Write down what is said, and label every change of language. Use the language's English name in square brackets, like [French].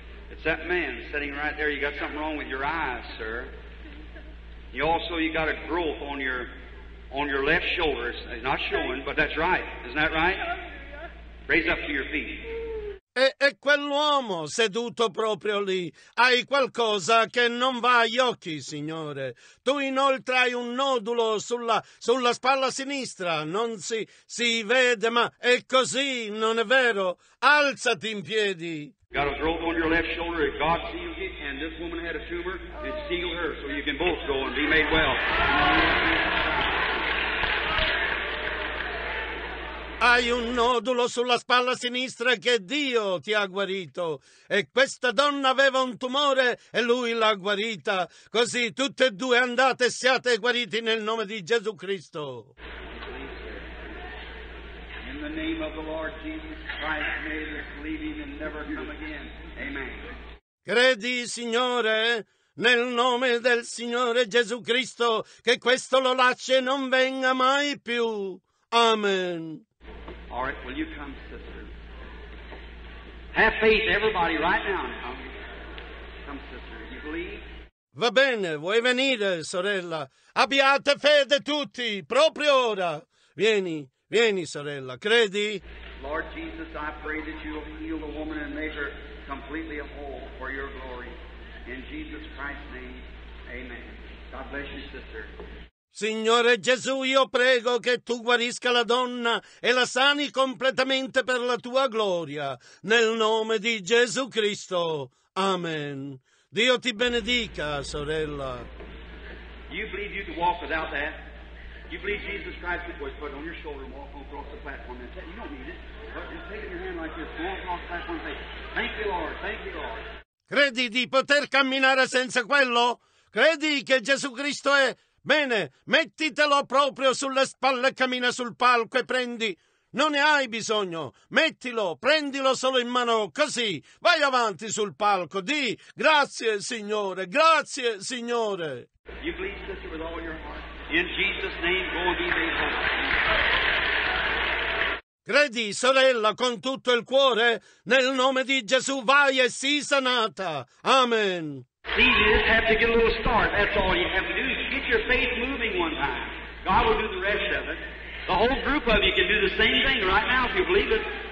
[English] It's that man sitting right there. You got something wrong with your eyes, sir. You also, you got a growth on your left shoulders. It's not showing, but that's right. Isn't that right? Raise up to your feet. [Italian] E quell'uomo seduto proprio lì, hai qualcosa che non va agli occhi, signore. Tu inoltre hai un nodulo sulla spalla sinistra, non si vede, ma è così, non è vero? Alzati in piedi. [English] Got a growth on your left shoulder, and God sealed it, and this woman had a tumor, it sealed her, so you can both go and be made well. [Italian] Hai un nodulo sulla spalla sinistra che Dio ti ha guarito. E questa donna aveva un tumore e lui l'ha guarita. Così tutte e due andate e siate guariti nel nome di Gesù Cristo. [English] In the name of the Lord Jesus Christ, may this leaving and never come again. Amen. [Italian] Credi, Signore? Nel nome del Signore Gesù Cristo, che questo lo lasci e non venga mai più. Amen. [English] All right, will you come, sister? Have faith, everybody, right now. Come, sister, you believe? [Italian] Va bene, vuoi venire, sorella? Abbiate fede tutti, proprio ora. Vieni, vieni, sorella, credi? [English] Lord Jesus, I pray that you will heal the woman and make her completely whole for your glory. In Jesus Christ's name, amen. God bless you, sister. [Italian] Signore Gesù, io prego che tu guarisca la donna e la sani completamente per la tua gloria, nel nome di Gesù Cristo. Amen. Dio ti benedica, sorella. [English] You believe you can walk without that? You believe Jesus Christ could put it on your shoulder and walk on across the platform and say, you don't need it, but just take it in your hand like this, go on across the platform and say, thank you, Lord, thank you, Lord. [Italian] Credi di poter camminare senza quello? Credi che Gesù Cristo è... Bene, mettitelo proprio sulle spalle e cammina sul palco e prendi. Non ne hai bisogno. Mettilo, prendilo solo in mano così. Vai avanti sul palco. Di grazie, Signore. Grazie, Signore. [English] You believe, sister, with all your heart? In Jesus' name, go and be made whole. [Italian] Credi, sorella, con tutto il cuore, nel nome di Gesù, vai e sii sanata. Amen. [English] See, you just have to get a little start. That's all you have to do. Get your faith moving one time. God will do the rest of it. The whole group of you can do the same thing right now if you believe it.